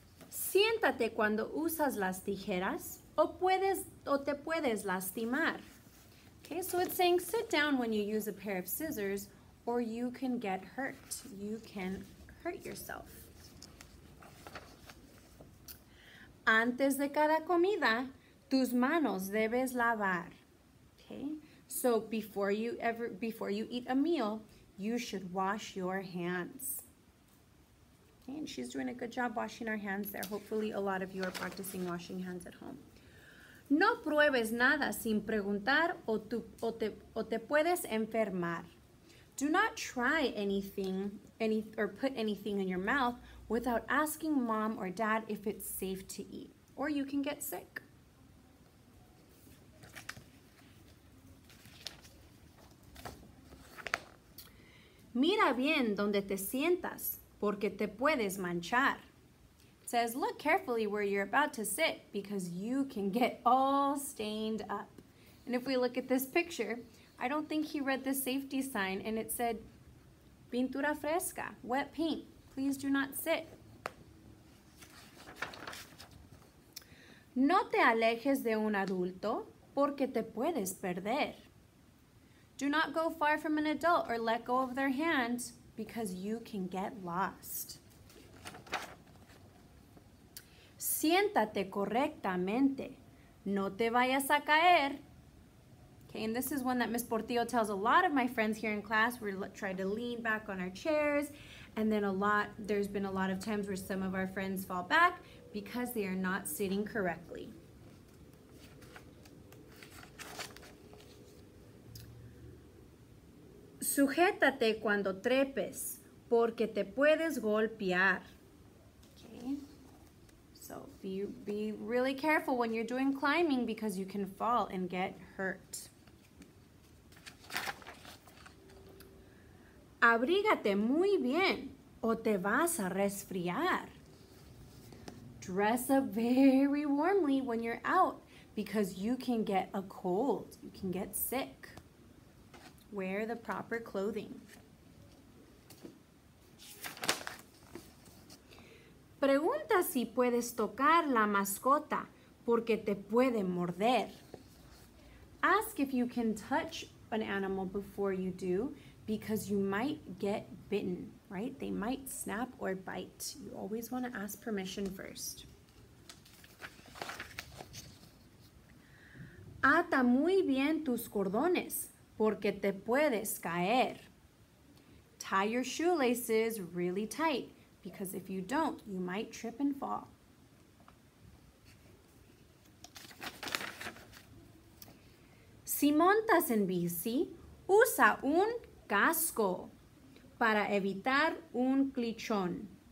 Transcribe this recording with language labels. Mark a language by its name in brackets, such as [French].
[Spanish] Siéntate cuando usas las tijeras o te puedes lastimar. [English] Okay, so it's saying sit down when you use a pair of scissors or you can get hurt. You can hurt yourself. [Spanish] Antes de cada comida, tus manos debes lavar. [English] Okay? So before you eat a meal, you should wash your hands. Okay, and she's doing a good job washing our hands there. Hopefully a lot of you are practicing washing hands at home. [Spanish] No pruebes nada sin preguntar o te puedes enfermar. [English] Do not try anything or put anything in your mouth without asking mom or dad if it's safe to eat, or you can get sick. [Spanish] Mira bien donde te sientas porque te puedes manchar. [English] Says, look carefully where you're about to sit because you can get all stained up. And if we look at this picture, I don't think he read the safety sign and it said, [Spanish] pintura fresca, [English] wet paint, please do not sit. [Spanish] No te alejes de un adulto porque te puedes perder. [English] Do not go far from an adult or let go of their hand because you can get lost. [Spanish] Siéntate correctamente. No te vayas a caer. [English] Okay, and this is one that Miss Portillo tells a lot of my friends here in class. We're trying to lean back on our chairs. And then there's been a lot of times where some of our friends fall back because they are not sitting correctly. [Spanish] Sujétate cuando trepes, porque te puedes golpear. [English] So be really careful when you're doing climbing because you can fall and get hurt. [Spanish] Abrígate muy bien o te vas a resfriar. [English] Dress up very warmly when you're out because you can get a cold. You can get sick. Wear the proper clothing. [Spanish] Pregunta si puedes tocar la mascota porque te puede morder. [English] Ask if you can touch an animal before you do because you might get bitten, right? They might snap or bite. You always want to ask permission first. [Spanish] Ata muy bien tus cordones porque te puedes caer. [English] Tie your shoelaces really tight. Because if you don't, you might trip and fall. [Spanish] Si montas en bici, usa un casco para evitar un clichón.